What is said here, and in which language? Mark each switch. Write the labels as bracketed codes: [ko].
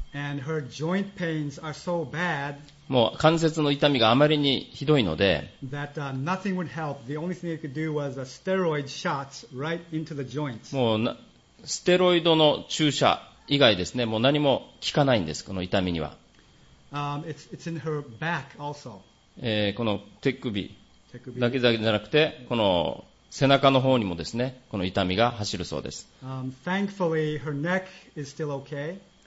[en] And her joint pains are so bad, [ja] もう関節の痛みがあまりにひどいので、 [en] that, nothing would help. The only thing they could do was a steroid shot right into the joint. [ja] もうステロイドの注射以外ですね、もう何も効かないんです、この痛みには。 [en] It's in her back also. [ja] この手首だけじゃなくて、この背中の方にもですね、この痛みが走るそうです。 [en] Thankfully, her neck is still okay.